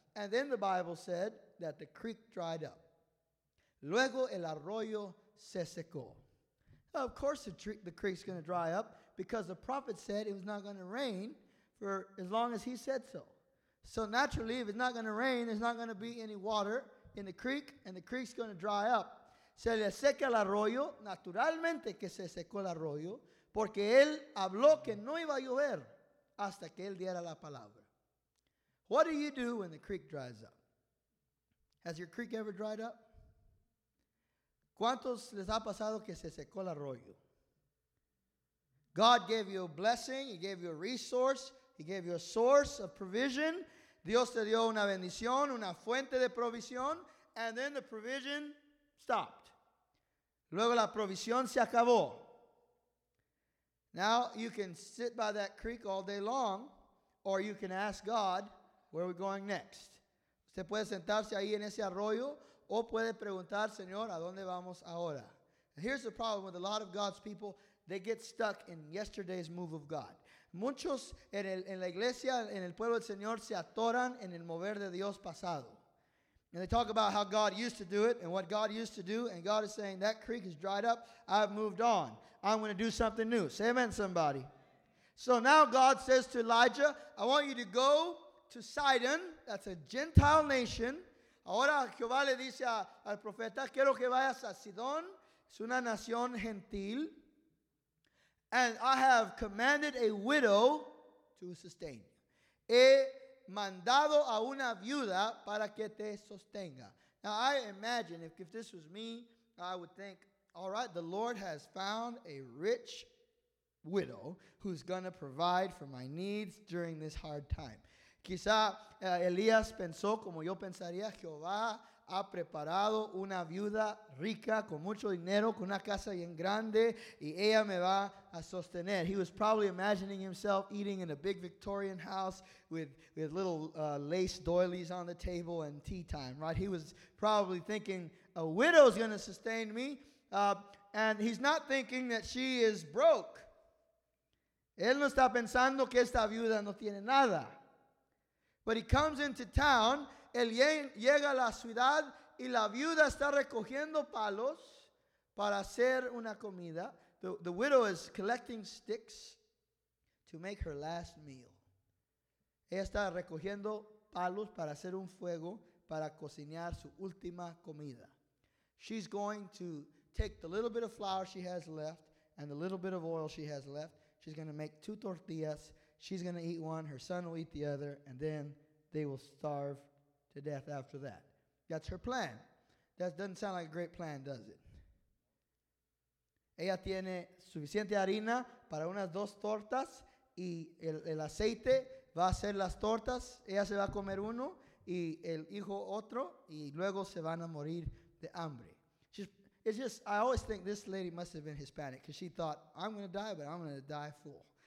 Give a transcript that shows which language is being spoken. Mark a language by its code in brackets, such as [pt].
[en] And then the Bible said that the creek dried up. [es] Luego el arroyo se secó. [en] Of course the creek's going to dry up because the prophet said it was not going to rain for as long as he said so. So naturally, if it's not going to rain, there's not going to be any water in the creek, and the creek's going to dry up. [es] Se le seca el arroyo, naturalmente que se secó el arroyo, porque él habló que no iba a llover hasta que él diera la palabra. [en] What do you do when the creek dries up? Has your creek ever dried up? [es] ¿Cuántos les ha pasado que se secó el arroyo? [en] God gave you a blessing. He gave you a resource. He gave you a source of provision. [es] Dios te dio una bendición, una fuente de provisión. [en] And then the provision stopped. [es] Luego la provisión se acabó. [en] Now you can sit by that creek all day long, or you can ask God, where are we going next? [es] Usted puede sentarse ahí en ese arroyo, o puede preguntar, Señor, ¿a dónde vamos ahora? [en] And here's the problem with a lot of God's people. They get stuck in yesterday's move of God. [es] Muchos en la iglesia, en el pueblo del Señor, se atoran en el mover de Dios pasado. [en] And they talk about how God used to do it and what God used to do. And God is saying, that creek has dried up. I've moved on. I'm going to do something new. Say amen, somebody. So now God says to Elijah, I want you to go to Sidon. That's a Gentile nation. [es] Ahora Jehová le dice al profeta, quiero que vayas a Sidón. Es una nación gentil. [en] And I have commanded a widow to sustain you. [es] He mandado a una viuda para que te sostenga. [en] Now I imagine if this was me, I would think, all right, the Lord has found a rich widow who's going to provide for my needs during this hard time. [es] Quizá Elías pensó como yo pensaría, Jehová ha preparado una viuda rica con mucho dinero, con una casa bien grande, y ella me va a sostener. [en] He was probably imagining himself eating in a big Victorian house with little lace doilies on the table and tea time, right? He was probably thinking, a widow's going to sustain me. And he's not thinking that she is broke. [es] Él no está pensando que esta viuda no tiene nada. [en] But he comes into town. [es] Él llega a la ciudad y la viuda está recogiendo palos para hacer una comida. [en] The widow is collecting sticks to make her last meal. [es] Ella está recogiendo palos para hacer un fuego para cocinar su última comida. [en] She's going to take the little bit of flour she has left and the little bit of oil she has left. She's going to make two tortillas. She's going to eat one. Her son will eat the other. And then they will starve to death after that. That's her plan. That doesn't sound like a great plan, does it? [es] Ella tiene suficiente harina para unas dos tortas y el aceite va a hacer las tortas. Ella se va a comer uno y el hijo otro y luego se van a morir de hambre. [en] I always think this lady must have been Hispanic because she thought, I'm going to die, but I'm going to die full.